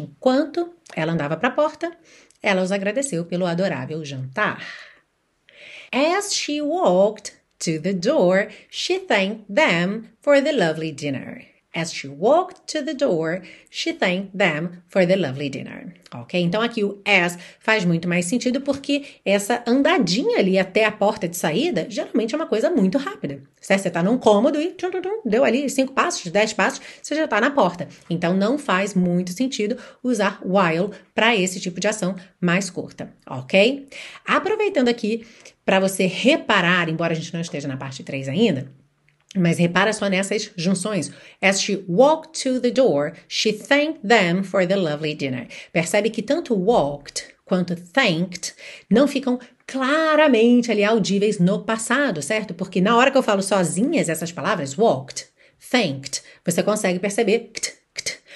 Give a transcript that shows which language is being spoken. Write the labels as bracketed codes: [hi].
[pt] Enquanto ela andava para a porta, ela os agradeceu pelo adorável jantar. [en] As she walked to the door, she thanked them for the lovely dinner. As she walked to the door, she thanked them for the lovely dinner. Ok? [pt] Então, aqui o as faz muito mais sentido porque essa andadinha ali até a porta de saída geralmente é uma coisa muito rápida. Certo? Você está num cômodo e tchum, tchum, tchum, deu ali 5 passos, 10 passos, você já está na porta. Então, não faz muito sentido usar while para esse tipo de ação mais curta. Ok? Aproveitando aqui para você reparar, embora a gente não esteja na parte 3 ainda, mas repara só nessas junções. [en] As she walked to the door, she thanked them for the lovely dinner. [pt] Percebe que tanto walked quanto thanked não ficam claramente ali audíveis no passado, certo? Porque na hora que eu falo sozinhas essas palavras, walked, thanked, você consegue perceber kt, kt.